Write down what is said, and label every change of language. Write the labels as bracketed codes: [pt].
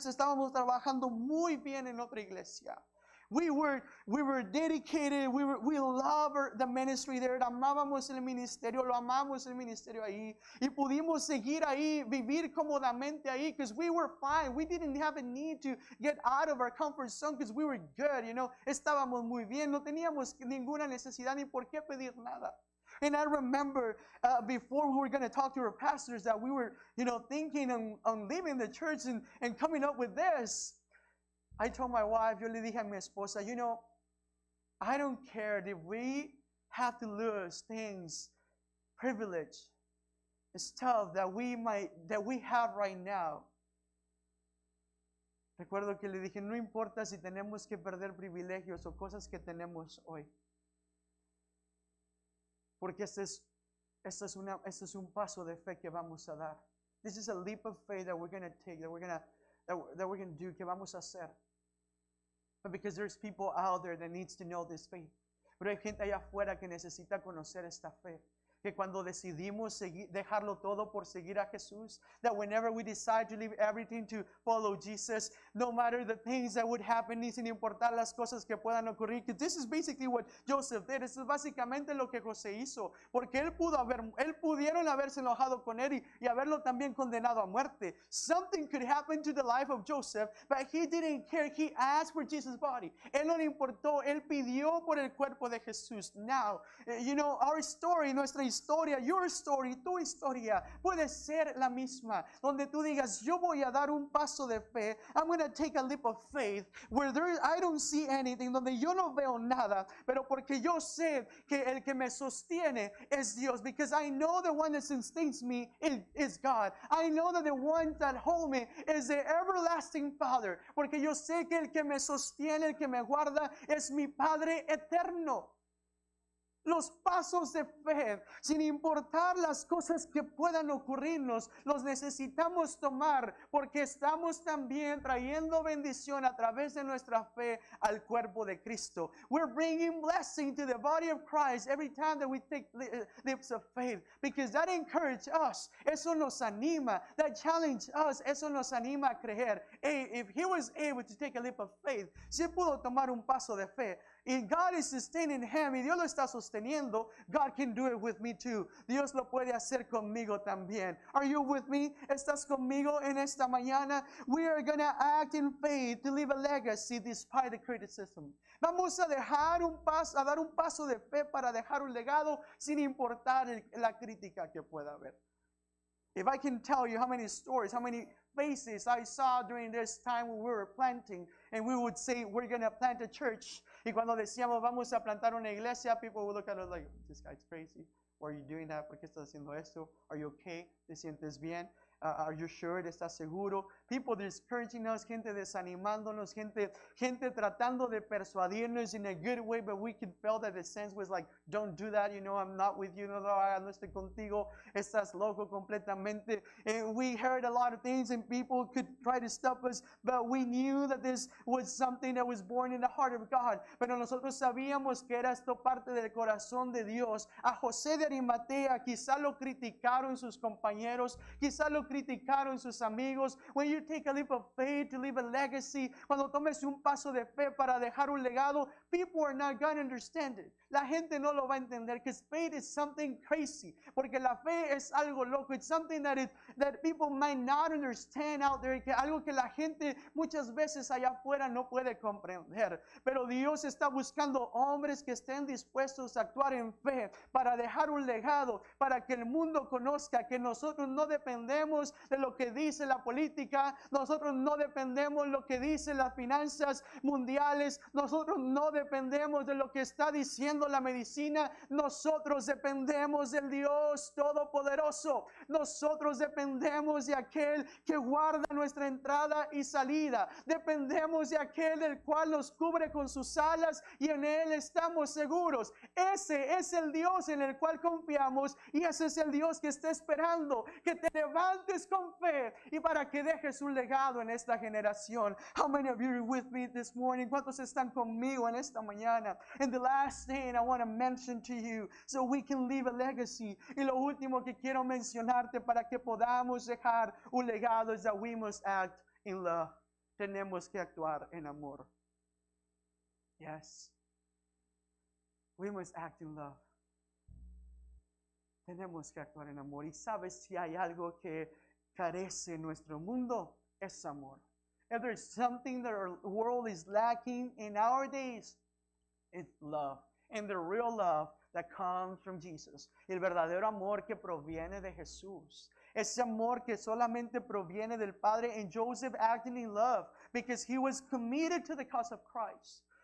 [es] Estábamos trabajando muy bien en otra iglesia. [en] We were dedicated. We loved the ministry there. [es] Amábamos el ministerio. Lo amamos el ministerio ahí. Y pudimos seguir ahí, vivir cómodamente ahí, [en] because we were fine. We didn't have a need to get out of our comfort zone because we were good. You know, [es] estábamos muy bien. No teníamos ninguna necesidad ni por qué pedir nada. [en] And I remember before we were going to talk to our pastors that we were, you know, thinking on leaving the church and coming up with this. I told my wife, [es] yo le dije a mi esposa, [en] you know, I don't care if we have to lose things, privilege, stuff that we have right now. [es] Recuerdo que le dije, no importa si tenemos que perder privilegios o cosas que tenemos hoy. Porque este es un paso de fe que vamos a dar. [en] This is a leap of faith that we're going to take, that we're going to do, [es] que vamos a hacer. [en] But because there's people out there that needs to know this faith. [es] Pero hay gente allá afuera que necesita conocer esta fe. Que cuando decidimos dejarlo todo por seguir a Jesús, [en] that whenever we decide to leave everything to follow Jesus, no matter the things that would happen, [es] ni sin importar las cosas que puedan ocurrir, [en] because this is basically what Joseph did. [es] Esto es básicamente lo que José hizo. Porque él pudieron haberse enojado con él y haberlo también condenado a muerte. [en] Something could happen to the life of Joseph, but he didn't care. He asked for Jesus' body. [es] Él no le importó. Él pidió por el cuerpo de Jesús. [en] Now, you know, our story, [es] nuestra historia, [en] your story, [es] tu historia puede ser la misma, donde tú digas, yo voy a dar un paso de fe, [en] I'm going to take a leap of faith where there is, I don't see anything, [es] donde yo no veo nada, pero porque yo sé que el que me sostiene es Dios, [en] because I know the one that sustains me is God. I know that the one that holds me is the everlasting Father, [es] porque yo sé que el que me sostiene, el que me guarda, es mi Padre eterno. Los pasos de fe, sin importar las cosas que puedan ocurrirnos, los necesitamos tomar porque estamos también trayendo bendición a través de nuestra fe al cuerpo de Cristo. [en] We're bringing blessing to the body of Christ every time that we take leaps of faith, because that encourages us. [es] Eso nos anima. [en] That challenges us. [es] Eso nos anima a creer. [en] Hey, if he was able to take a leap of faith, [es] si pudo tomar un paso de fe, [en] if God is sustaining him, [es] y Dios lo está sosteniendo, [en] God can do it with me too. [es] Dios lo puede hacer conmigo también. [en] Are you with me? [es] ¿Estás conmigo en esta mañana? [en] We are going to act in faith to leave a legacy despite the criticism. [es] Vamos a dejar un paso, a dar un paso de fe para dejar un legado sin importar la crítica que pueda haber. [en] If I can tell you how many stories, how many faces I saw during this time when we were planting, and we would say, we're going to plant a church. [es] Y cuando decíamos, vamos a plantar una iglesia, [en] people would look at us like, this guy's crazy. Why are you doing that? [es] ¿Por qué estás haciendo esto? [en] Are you okay? [es] ¿Te sientes bien? [en] Are you sure? [es] ¿Estás seguro? [en] People discouraging us, [es] gente desanimándonos, gente tratando de persuadirnos [en] in a good way, but we can feel that the sense was like, don't do that, you know, I'm not with you, [es] no estoy contigo, estás loco completamente. [en] And we heard a lot of things and people could try to stop us, but we knew that this was something that was born in the heart of God. [es] Pero nosotros sabíamos que era esto parte del corazón de Dios. A José de Arimatea, quizá lo criticaron sus compañeros, quizá lo criticaron sus amigos. [en] When you take a leap of faith to leave a legacy, [es] cuando tomes un paso de fe para dejar un legado, [en] people are not going to understand it. [es] La gente no lo va a entender, [en] because faith is something crazy. [es] Porque la fe es algo loco. [en] It's something that people might not understand out there. [es] Que algo que la gente muchas veces allá afuera no puede comprender. Pero Dios está buscando hombres que estén dispuestos a actuar en fe para dejar un legado, para que el mundo conozca que nosotros no dependemos de lo que dice la política. Nosotros no dependemos de lo que dicen las finanzas mundiales. Nosotros no dependemos de lo que está diciendo la medicina. Nosotros dependemos del Dios Todopoderoso. Nosotros dependemos de aquel que guarda nuestra entrada y salida. Dependemos de aquel el cual nos cubre con sus alas y en él estamos seguros. Ese es el Dios en el cual confiamos, y ese es el Dios que está esperando que te levantes con fe y para que dejes un legado en esta generación. [en] How many of you are with me this morning? [es] ¿Cuántos están conmigo en esta mañana? [en] In the last thing I want to mention to you so we can leave a legacy. [es] Y lo último que quiero mencionarte para que podamos dejar un legado [en] is that we must act in love. [es] Tenemos que actuar en amor. [en] Yes. We must act in love. [es] Tenemos que actuar en amor. Y sabes, si hay algo que carece en nuestro mundo, es amor. [en] If there's something that our world is lacking in our days, it's love. And the real love that comes from Jesus. [es] El verdadero amor que proviene de Jesús. Ese amor que solamente proviene del Padre. [en] And Joseph acted in love because he was committed to the cause of Christ.